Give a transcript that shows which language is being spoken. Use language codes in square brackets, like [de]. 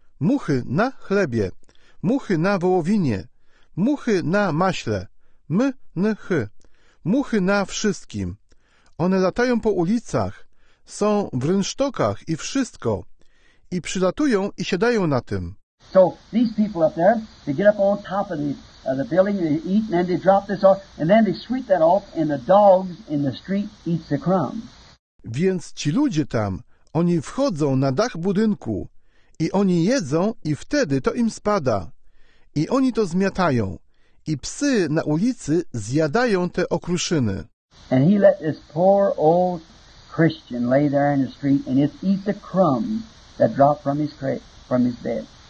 [pl] Muchy na chlebie, muchy na wołowinie, muchy na maśle, m, n, h. Muchy na wszystkim. One latają po ulicach, są w rynsztokach i wszystko. I przylatują i siadają na tym. [en] So these people up there, they get up on top of the building, they eat, and then they drop this off, and then they sweep that off, and the dogs in the street eat the crumbs. [pl] Więc ci ludzie tam, oni wchodzą na dach budynku i oni jedzą i wtedy to im spada. I oni to zmiatają. I psy na ulicy zjadają te okruszyny. [en] And he let this poor old Christian lay there in the street and it eat the crumbs that dropped from his crate, from his bed.